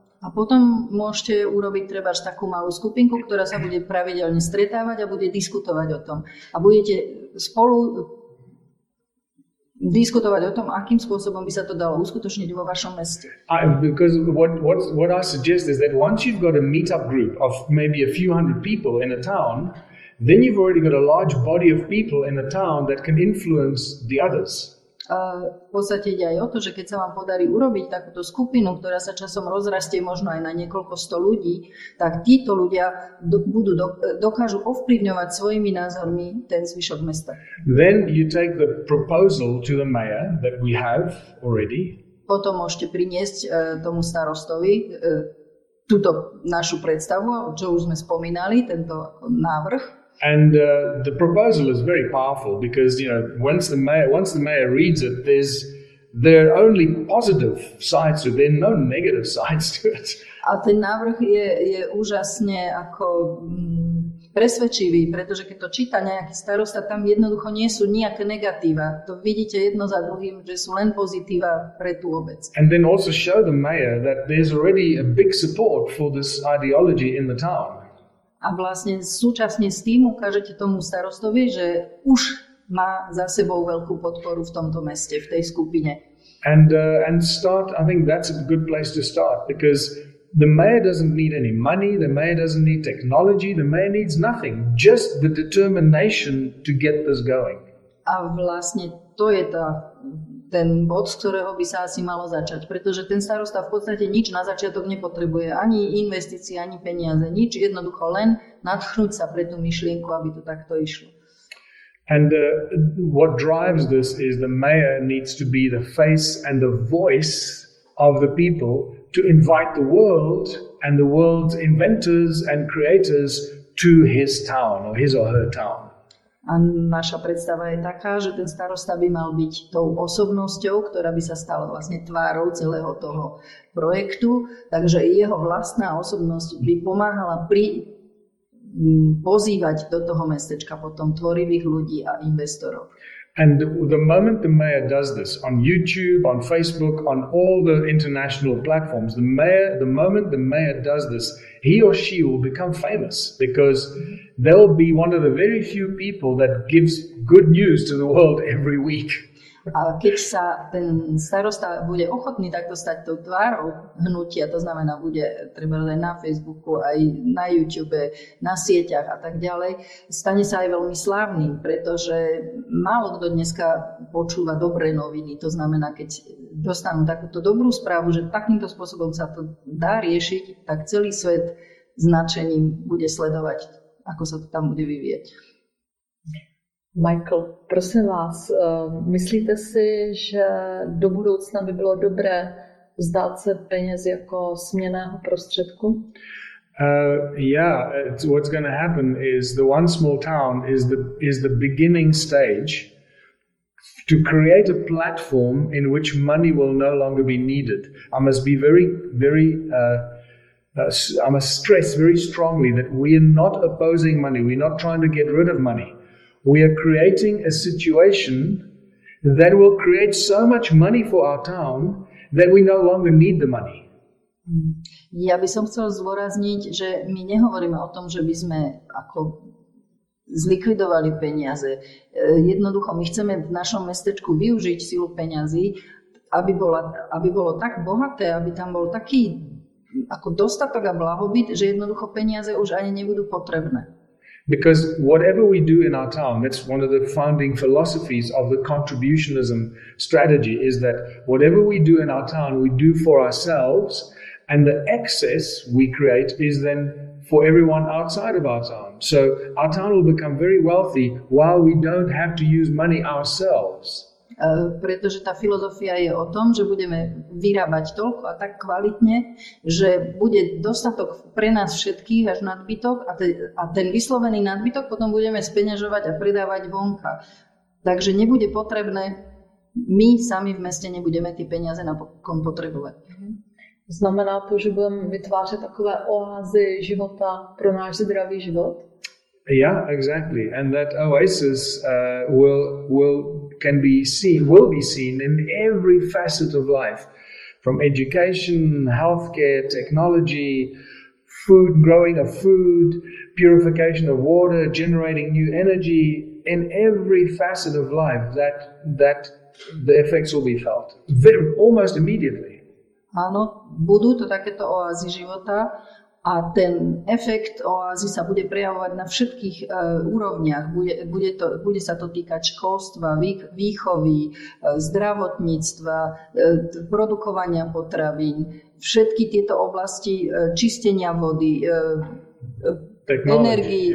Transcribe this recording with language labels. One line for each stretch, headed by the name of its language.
Slovak: A potom môžete urobiť trebárs takú malú skupinku, ktorá sa bude pravidelne stretávať a bude diskutovať o tom. A budete spolu diskutovať o tom, akým spôsobom by sa to dalo uskutočniť vo vašom meste.
English: Because what I suggest is that once you've got a meetup group of maybe a few hundred people in a town, then you've already got a large body of people in a town that can influence the others.
Slovak: V podstate ide aj o to, že keď sa vám podarí urobiť takúto skupinu, ktorá sa časom rozrastie možno aj na niekoľko sto ľudí, tak títo ľudia dokážu ovplyvňovať svojimi názormi ten zvyšok mesta.
English: Then you take the proposal to the mayor that we have already.
Slovak: Potom môžete priniesť tomu starostovi túto našu predstavu, čo už sme spomínali, tento návrh.
English: And the proposal is very powerful because, you know, once the mayor reads it, there are only positive sides to it. There are no negative sides to it.
Slovak: A ten návrh je úžasne ako presvedčivý, pretože keď to číta nejaký starosta, tam jednoducho nie sú nejaké negatíva. To vidíte jedno za druhým, že sú len pozitíva pre tú obec.
English: And then also show the mayor that there's already a big support for this ideology in the town.
Slovak: A vlastne súčasne s tým ukážete tomu starostovi, že už má za sebou veľkú podporu v tomto meste, v tej skupine.
English: And start, I think that's a good place to start, because the mayor doesn't need any money, the mayor doesn't need technology, the mayor needs nothing, just the determination to get this going.
Slovak: A vlastne to je ten bod, z ktorého by sa asi malo začať. Pretože ten starosta v podstate nič na začiatok nepotrebuje. Ani investície, ani peniaze, nič. Jednoducho len nadchnúť sa pre tú myšlienku, aby to takto išlo.
English: And what drives this is the mayor needs to be the face and the voice of the people to invite the world and the world's inventors and creators to his town or his or her town.
Slovak: A naša predstava je taká, že ten starosta by mal byť tou osobnosťou, ktorá by sa stala vlastne tvárou celého toho projektu. Takže jeho vlastná osobnosť by pomáhala pozývať do toho mestečka potom tvorivých ľudí a investorov.
English: And the moment the mayor does this on YouTube, on Facebook, on all the international platforms, the moment the mayor does this, he or she will become famous because they'll be one of the very few people that gives good news to the world every week.
Slovak: A keď sa ten starosta bude ochotný takto stať tou tvárou hnutia, to znamená, bude treba aj na Facebooku, aj na YouTube, na sieťach a tak ďalej, stane sa aj veľmi slávnym, pretože málo kto dneska počúva dobré noviny. To znamená, keď dostanú takúto dobrú správu, že takýmto spôsobom sa to dá riešiť, tak celý svet s nadšením bude sledovať, ako sa to tam bude vyvieť.
Czech: Michael, prosím vás, myslíte si, že do budoucna by bylo dobré vzdát se peněz jako směnného prostředku?
English: Yeah, it's, what's going to happen is the one small town is the beginning stage to create a platform in which money will no longer be needed. I must be very, very, I must stress very strongly that we are not opposing money. We're not trying to get rid of money. We are creating a situation that will create so much money for our town that we no longer need the money.
Slovak: Ja by som chcel zdôrazniť, že my nehovoríme o tom, že by sme ako zlikvidovali peniaze. Jednoducho, my chceme v našom mestečku využiť silu peňazí, aby bolo tak bohaté, aby tam bol taký ako dostatok a blahobyt, že jednoducho peniaze už ani nebudú potrebné.
English: Because whatever we do in our town, that's one of the founding philosophies of the contributionism strategy, is that whatever we do in our town, we do for ourselves, and the excess we create is then for everyone outside of our town. So our town will become very wealthy while we don't have to use money ourselves.
Slovak: Pretože tá filozofia je o tom, že budeme vyrábať toľko a tak kvalitne, že bude dostatok pre nás všetkých až nadbytok a ten vyslovený nadbytok potom budeme speňažovať a predávať vonka. Takže nebude potrebné, my sami v meste nebudeme tie peniaze napokon potrebovať.
Czech: Znamená to, že budeme vytvářať takové oázy života pro náš zdravý život?
English: Yeah, exactly. And that oasis will be seen in every facet of life, from education, healthcare, technology, food, growing of food, purification of water, generating new energy. In every facet of life, that the effects will be felt very, almost immediately.
Slovak: Áno, budú to takéto oázy života. A ten efekt oázy sa bude prejavovať na všetkých úrovniach. Bude sa to týkať školstva, výchovy, zdravotníctva, produkovania potravín, všetky tieto oblasti čistenia vody, energii,